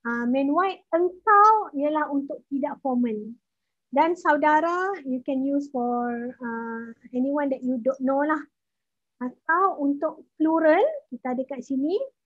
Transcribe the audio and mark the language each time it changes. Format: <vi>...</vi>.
<en>Meanwhile,</en> <ms>engkau ialah untuk tidak formal. Dan saudara,</ms> <en>you can use for anyone that you don't know lah.</en> <ms>Atau untuk plural, kita ada kat sini.</ms>